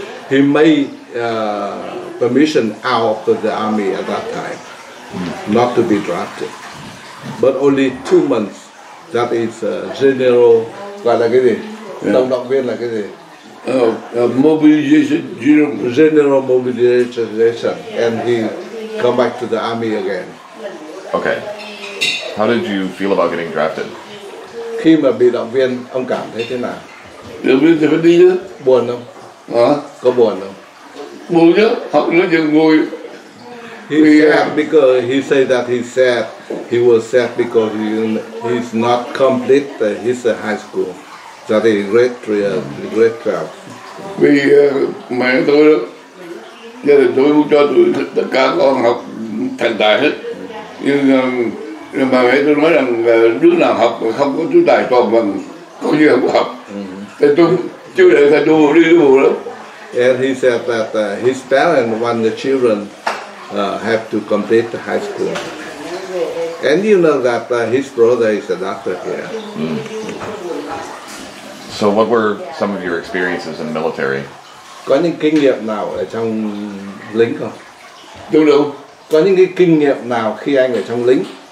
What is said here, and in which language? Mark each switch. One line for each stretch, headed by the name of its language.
English: He made permission out of the army at that time, not to be drafted, but only 2 months. That is general.
Vietnamese: Gọi là cái gì? Tổng động viên là cái gì?
English: Mobilization, general mobilization, and he come back to the army again. Okay. How did you feel about getting drafted?
Vietnamese: Khi mà bị động viên, ông cảm thấy thế nào? Động viên thì phải đi chứ. Buồn không? Hả? Có buồn không? Buồn chứ. Học nữa thì ngồi.
English: He said because he said that he said he was sad because he's not complete his high school. That is great crowd.
Vietnamese: Vì mẹ tôi đó, gia đình tôi muốn cho tôi tất cả con học thành tài hết. Nhưng mà mẹ tôi nói rằng đứa nào học mà không có chú tài toàn bằng coi như không học. Thì tôi chưa để thầy đùa đi đùa lắm.
English: And he said that his parents want the children have to complete the high school. And you know that his brother is a doctor here. So what were some of your experiences in the military?
Vietnamese: Có những kinh nghiệm nào ở trong lính không? Đúng rồi. Có những cái kinh nghiệm nào khi anh ở trong lính?